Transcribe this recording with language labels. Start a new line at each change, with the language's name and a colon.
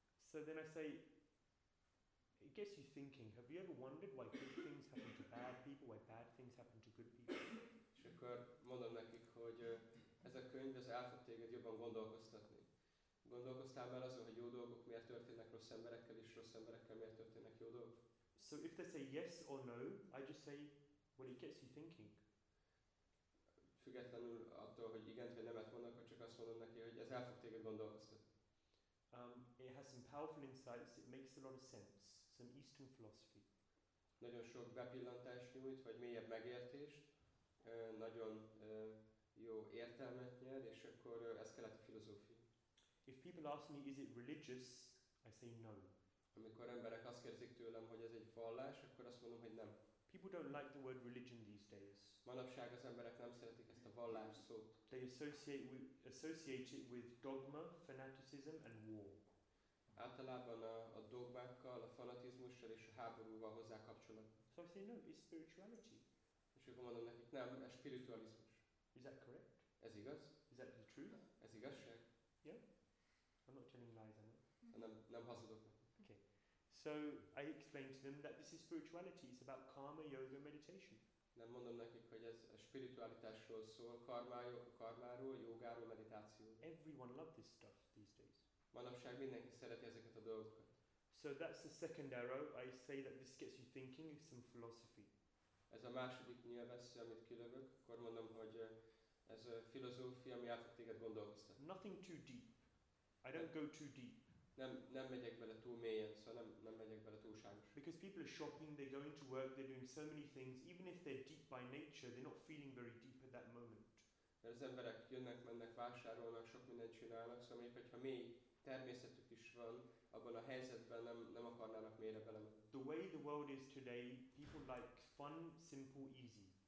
English: So then I say, it gets you thinking, have you ever wondered why good things happen to bad people, why bad things happen to good people?
Hungarian: És akkor mondom nekik, hogy ez a könyv, ez el fog téged jobban gondolkoztatni. Gondolkoztál már azon, hogy jó dolgok miért történnek rossz emberekkel, és rossz emberekkel miért történnek jó dolgok?
English: So if they say yes or no, I just say, well, it gets you thinking.
Hungarian: Függetlenül attól, hogy igent vagy nemet mondok, csak azt mondom neki, hogy ez el fog téged gondolkoztatni.
English: It has some powerful insights, it makes a lot of sense, some Eastern philosophy.
Hungarian: Nagyon sok bepillantást nyújt, vagy mélyebb megértést, nagyon jó értelmet nyer, és akkor ez keleti filozófia.
English: If people ask me, is it religious, I say no.
Hungarian: Amikor emberek azt kérdezik tőlem, hogy ez egy vallás, akkor azt mondom, hogy nem.
English: People don't like the word religion these days.
Hungarian: Manapság az emberek nem szeretik ezt a vallás szót.
English: They associate it with dogma, fanaticism and war.
Hungarian: Általában a dogmákkal, a fanatizmussal és a háborúval hozzá kapcsolat.
English: So I say no, it's spirituality.
Hungarian: És akkor mondom nekik, nem, ez spiritualizmus.
English: Is that correct?
Hungarian: Ez igaz.
English: Is that the truth?
Hungarian: Ez igazság.
English: Yeah? I'm not telling lies, am I?
Hungarian: Nem hazudok.
English: Okay. So I explain to them that this is spirituality, it's about karma, yoga, meditation.
Hungarian: Nem mondom nekik, hogy ez a spiritualitásról szól, karmáról, jogáról, meditációról.
English: Everyone loves this stuff these days.
Hungarian: Manapság mindenki szereti ezeket a dolgokat.
English: So that's the second arrow. I say that this gets you thinking, it's some philosophy.
Hungarian: Ez a második nyilvessző, amit kilövök, akkor mondom, hogy ez a filozófia, ami el fog téged gondolkoztat.
English: Nothing too deep. I don't go too deep.
Hungarian: Nem megyek bele túl mélyen, szóval nem megyek bele túlságos.
English: Because people are shopping, they're going to work, they're doing so many things, even if they're deep by nature, they're not feeling very deep at that moment.
Hungarian: Mert az emberek jönnek, mennek, vásárolnak, sok mindent csinálnak, szóval mondjuk, hogyha mély természetük is van, abban a helyzetben nem akarnának mélyre bele.
English: The way the world is today, people like fun, simple, easy.